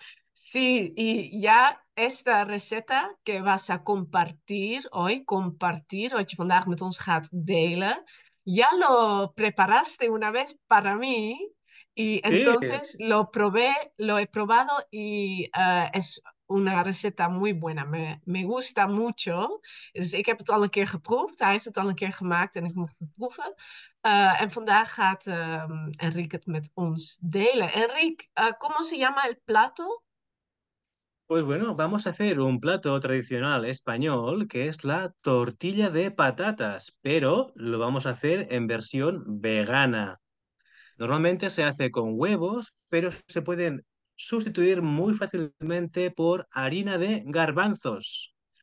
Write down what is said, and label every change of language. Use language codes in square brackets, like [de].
[es] Sí, y ya esta receta que vas a compartir, [nl] wat je vandaag met ons gaat delen, [es] ya lo preparaste una vez para mí y Sí. entonces lo he probado y es una receta muy buena, me gusta mucho. [nl] Dus ik heb het al een keer geproefd, hij heeft het al een keer gemaakt en ik mocht het proeven. En vandaag gaat Enrique het met ons delen. [es] Enrique, ¿cómo se llama el plato? Pues bueno, vamos a hacer un plato tradicional español que es la tortilla de patatas, pero lo vamos a hacer en versión vegana. Normalmente se hace con huevos, pero se pueden sustituir muy fácilmente por harina de garbanzos.